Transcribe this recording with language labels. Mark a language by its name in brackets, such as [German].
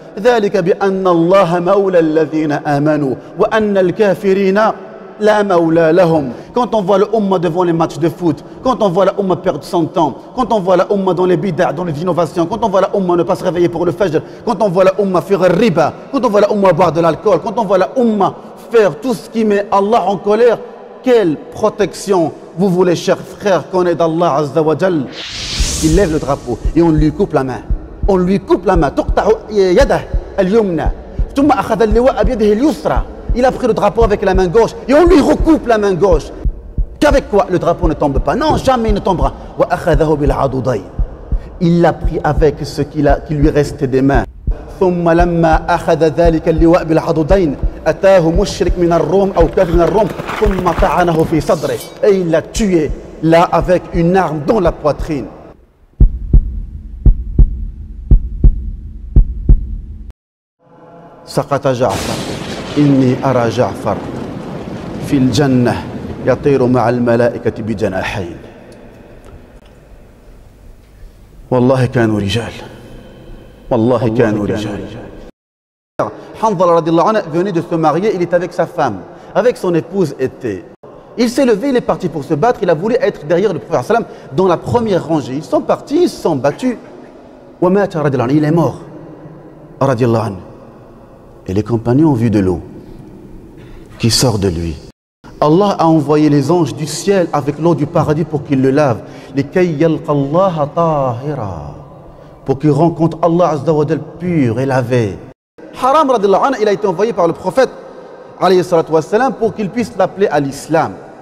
[Arabic] ذلك بأن الله مولى الذين آمنوا وأن الكافرين لا مولى لهم. [French] Quand on voit l'Ummah devant les matchs de foot, quand on voit l'Ummah perdre son temps, quand on voit l'Ummah dans les bid'ah, dans les innovations, quand on voit l'Ummah ne pas se réveiller pour le fajr, quand on voit l'Ummah faire riba, quand on voit l'Ummah boire de l'alcool, quand on voit l'Ummah faire tout ce qui met Allah en colère, quelle protection vous voulez, chers frères, qu'on ait d'Allah Azza wa Jal? Il lève le drapeau et on lui coupe la main. On lui coupe la main. [Arabic] تقطع يده اليمنى ثم أخذ اللواء بيده اليسرى. [French] Il a pris le drapeau avec la main gauche et on lui recoupe la main gauche. Qu'avec quoi le drapeau ne tombe pas? Non, jamais il ne tombera. [Arabic] وأخذه بالعضدين. [French] Il l'a pris avec ce qui lui restait des mains. [Arabic] ثم لما أخذ ذلك اللواء بالعضدين أتاه مشرك من الروم أو كافر من الروم ثم طعنه في صدره. [French] Et il l'a tué là avec une arme dans la poitrine. [Arabic] سقط جعفر إني أرى جعفر في الجنة يطير مع الملائكة بجناحين والله كانوا رجال والله كانوا رجال حنظلة رضي الله عنه [French] venu de se marier, il est avec sa femme, avec son épouse était. Il s'est levé, il est parti pour se battre, il a voulu être derrière le prophète sallam dans la première rangée. Ils sont partis, ils se sont battus. [Arabic] ومات رضي الله عنه, [French] il est mort [Arabic] رضي الله عنه. [French] Et les compagnons ont vu de l'eau qui sort de lui. Allah a envoyé les anges du ciel avec l'eau du paradis pour qu'ils le lavent. [Arabic] لِكَيْ يَلْقَ اللَّهَ طَاهِرًا. [French] Pour qu'ils rencontrent Allah Azza wa Jal pur et lavé. Haram radiallahu anhu, il a été envoyé par le prophète alayhi salatu wassalam pour qu'il puisse l'appeler à l'islam.